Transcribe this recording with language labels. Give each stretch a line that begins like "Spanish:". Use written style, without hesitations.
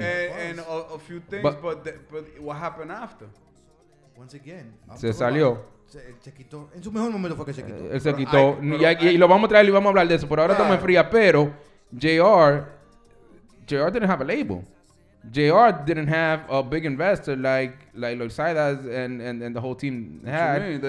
English: And a few things, but what happened after? Once again.
Spanish: Se salió. Se quitó. En su mejor momento fue que se quitó. Y lo vamos a traer y vamos a hablar de eso. Por ahora estamos en fría, pero
English: JR didn't have a label. JR didn't have a big investor like Loisaida's and the whole team had.